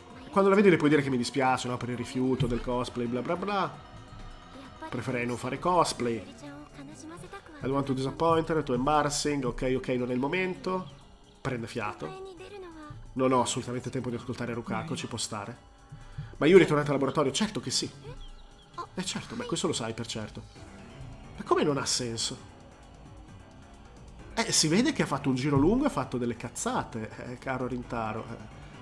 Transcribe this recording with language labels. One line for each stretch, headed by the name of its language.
Italian: Quando la vedi le puoi dire che mi dispiace, no, per il rifiuto del cosplay, bla bla bla. Preferirei non fare cosplay.
English: I want to disappoint her, too embarrassing.
Italian: Ok, ok, non è il momento. Prende fiato. Non ho assolutamente tempo di ascoltare Rukako, ci può stare. Ma io ritornato al laboratorio? Certo che sì. Eh certo, beh, questo lo sai per certo. Ma come non ha senso? Si vede che ha fatto un giro lungo e ha fatto delle cazzate, caro Rintaro.